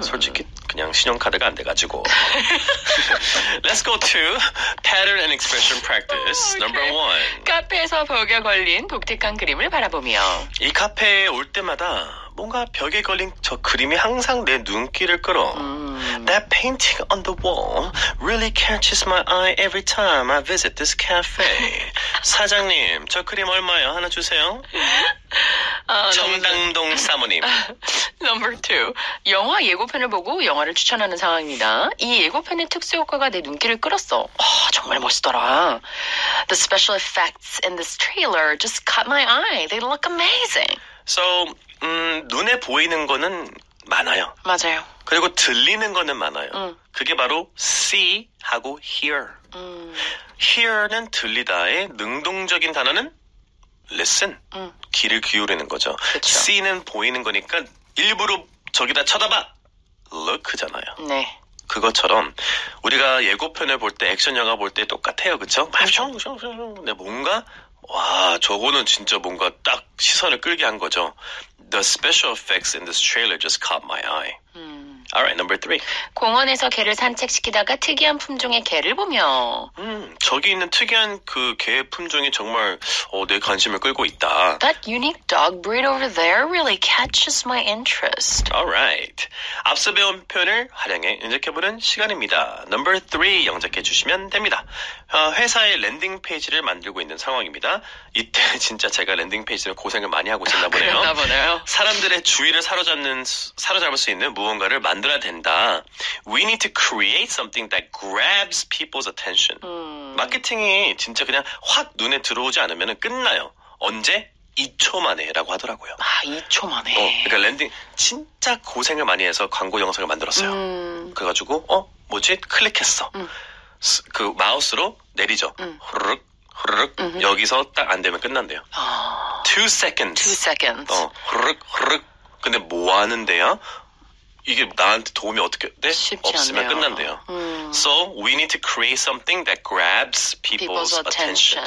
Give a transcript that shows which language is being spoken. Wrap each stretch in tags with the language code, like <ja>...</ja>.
<ko>솔직히 그냥 신용카드가 안 돼가지고.</ko> <en>Let's go to pattern and expression practice. Number one.</en> <ko>카페에서 벽에 걸린 독특한 그림을 바라보며. 이 카페에 올 때마다 뭔가 벽에 걸린 저 그림이 항상 내 눈길을 끌어.</ko> <en>That painting on the wall really catches my eye every time I visit this cafe.</en> <ko>사장님, 저 그림 얼마요? 하나 주세요. 정당동 사모님.</ko> <en>Number two.</en> <ko>영화 예고편을 보고 영화를 추천하는 상황입니다. 이 예고편의 특수효과가 내 눈길을 끌었어. 와, 정말 멋있더라.</ko> <en>The special effects in this trailer just caught my eye. They look amazing.</en> <ko>So, 눈에 보이는 거는 많아요. 맞아요. 그리고 들리는 거는 많아요. 그게 바로 see 하고 hear. Hear는 들리다의 능동적인 단어는 listen. 귀를 기울이는 거죠. 그쵸. See는 보이는 거니까 일부러 저기다 쳐다봐. Look잖아요. 네. 그것처럼 우리가 예고편을 볼 때, 액션 영화 볼 때 똑같아요. 그렇죠? 근데 뭔가 와, 저거는 진짜 뭔가 딱 시선을 끌게 한 거죠.</ko> <en>The special effects in this trailer just caught my eye. Alright, number three.</en> <ko>공원에서 개를 산책시키다가 특이한 품종의 개를 보며. 저기 있는 특이한 그 개 품종이 정말 내 관심을 끌고 있다. That unique dog breed over there really catches my interest. Alright. 앞서 배운 표현을 활용해 영작해보는 시간입니다.</ko> <en>Number three</en> <ko>영작해 주시면 됩니다. 회사의 랜딩 페이지를 만들고 있는 상황입니다. 이때 진짜 제가 랜딩 페이지를 고생을 많이 하고 있었나 보네요. 사람들의 주의를 사로잡을 수 있는 무언가를 만들어야 된다.</ko> <en>We need to create something that grabs people's attention.</en> <ko>마케팅이 진짜 그냥 확 눈에 들어오지 않으면 끝나요. 언제? 2초 만에 라고 하더라고요. 아, 2초 만에. 그러니까 랜딩 진짜 고생을 많이 해서 광고 영상을 만들었어요. 그래가지고 뭐지? 클릭했어. 그 마우스로 내리죠. 후루룩 후루룩. 여기서 딱 안 되면 끝난대요.</ko> <en>2 seconds.</en> <ko>후루룩 후루룩. 근데 뭐 하는데요? 이게 나한테 도움이 어떻게 돼? 없으면 않네요. 끝난대요.</ko> <en>So we need to create something that grabs people's attention.</en>